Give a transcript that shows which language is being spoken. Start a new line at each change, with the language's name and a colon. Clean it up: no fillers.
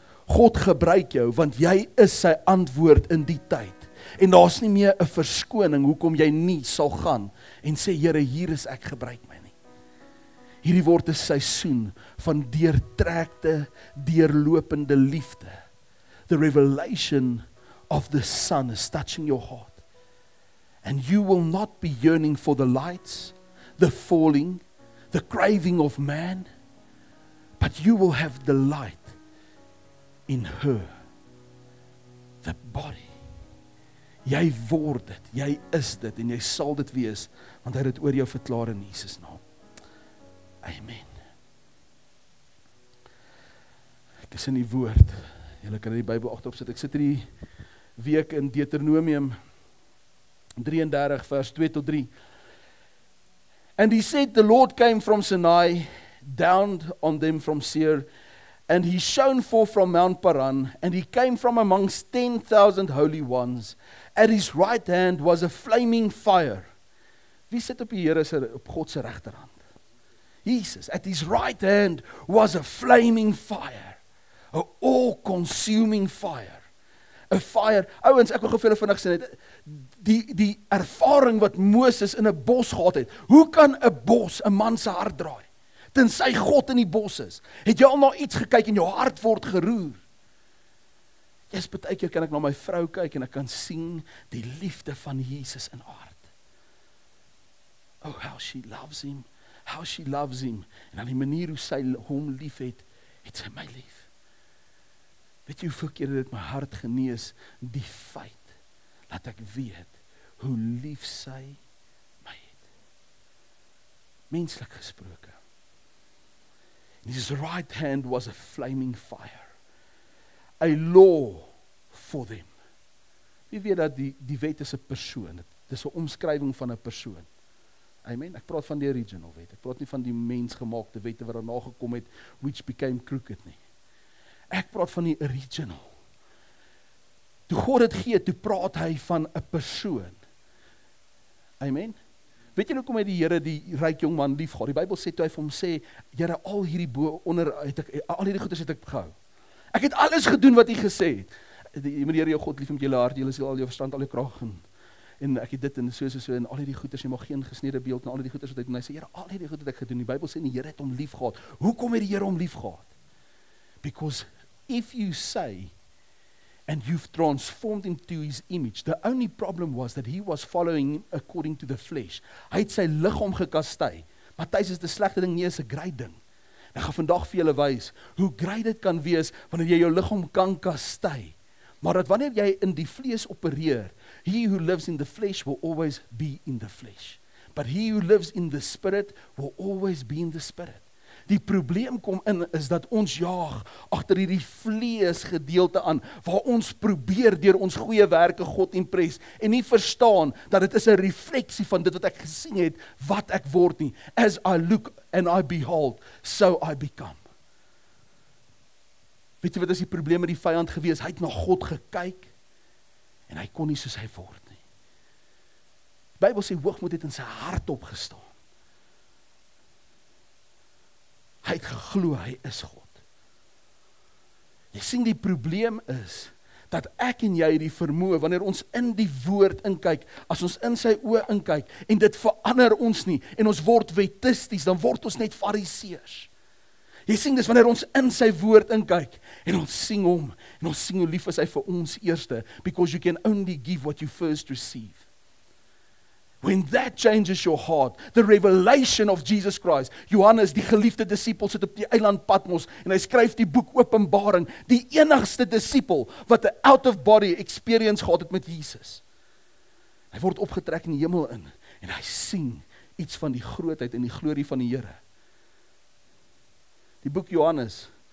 Afrikaans: God gebruik jou, want jy is sy antwoord in die tyd. En daar's nie meer 'n verskoning hoekom jy nie sal gaan en sê, Here, hier is ek, gebruik my. Hierdie word 'n seisoen van deurtrekte, deurlopende liefde.
English: The revelation of the sun is touching your heart. And you will not be yearning for the lights, the falling, the craving of man, but you will have delight in her, the body.
Afrikaans: Jy word dit, jy is dit en jy sal dit wees, want hy het oor jou verklaar in Jesus naam. Amen. Ek is in die woord. Julle kan die Bybel agterop sit. Ek sit hierdie week in Deuteronomium 33 vers 2 tot 3.
English: And he said the Lord came from Sinai down on them from Seir, and he shone forth from Mount Paran, and he came from amongst 10,000 holy ones. At his right hand was a flaming fire.
Afrikaans: Wie sit op die Here se op God se regterhand?
English: Jesus, at his right hand was a flaming fire. An all-consuming fire. A fire.
Afrikaans: Ouens, ek wil gou vir julle vinnig sê net die ervaring wat Moses in 'n bos gehad het. Hoe kan 'n bos 'n man se hart draai? Tensy God in die bos is. Het jy al na iets gekyk en jou hart word geroer? Jy's baie keer kan ek na my vrou kyk en ek kan sien die liefde van Jesus in haar hart.
English: Oh, how she loves him. How she loves him.
Afrikaans: En aan die manier hoe sy hom lief het, het sy my lief. Weet jy hoeveel keer het my hart genees die feit dat ek weet hoe lief sy my het. Menslik gesproke.
English: And his right hand was a flaming fire. A law for them.
Afrikaans: Wie weet dat die wet is 'n persoon. Dit is 'n omskrywing van 'n persoon. Amen. Ek praat van die original wet. Ek praat nie van die mensgemaakte wette wat daarna gekom het,
English: which became crooked
Afrikaans: nie. Ek praat van die original. Toe God het gee, toe praat hy van 'n persoon. Amen. Weet jy hoekom het die Here die ryk jong man lief gehad? Die Bybel sê toe hy vir hom sê, Here, al hierdie bo onder het ek al hierdie goeders het ek gehou. Ek het alles gedoen wat u gesê het. Jy moet die Here jou God lief met jou hele hart, jy sal al jou verstand, al jou krag en ek het dit en so en al hierdie goeders, jy mag geen gesneede beeld en al hierdie goeders wat hy doen. Hy sê, Here, al hierdie goed wat ek gedoen, die Bybel sê die Here het hom lief gehad. Hoekom het die Here hom lief gehad?
English: Because if you say and you've transformed him to his image, the only problem was that he was following according to the flesh.
Afrikaans: Hy het sy liggaam gekastei. Matthys is 'n slegte ding, nie is 'n great ding. En ek gaan vandag vir julle wys hoe great dit kan wees wanneer jy jou liggaam kan kastei. Maar dat wanneer jy in die vlees opereer,
English: he who lives in the flesh will always be in the flesh. But he who lives in the spirit will always be in the spirit.
Afrikaans: Die probleem kom in is dat ons jaag agter hierdie vlees gedeelte aan, waar ons probeer deur ons goeie werke God impress en nie verstaan dat dit is 'n refleksie van dit wat ek gesien het, wat ek word nie.
English: As I look and I behold, so I become.
Afrikaans: Weet jy wat is die probleem met die vyand gewees? Hy het na God gekyk en hy kon nie soos hy word nie. Die Bybel sê hoogmoed het in sy hart opgestaan. Hy het geglo hy is God. Jy sien die probleem is dat ek en jy die vermoë wanneer ons in die woord inkyk, as ons in sy oë inkyk en dit verander ons nie en ons word wettisties, dan word ons net fariseërs. Jy sien dis wanneer ons in sy woord inkyk en ons sien hom en ons sien hoe lief is hy vir ons eerste,
English: because you can only give what you first receive. When that changes your heart, the revelation of Jesus Christ.
Afrikaans: Johannes, die geliefde disipel, sit op die eiland Patmos en hy skryf die boek Openbaring, die enigste disipel wat 'n out of body experience gehad het met Jesus. Hy word opgetrek in die hemel in en hy sien iets van die grootheid en die glorie van die Here. Die boek Johannes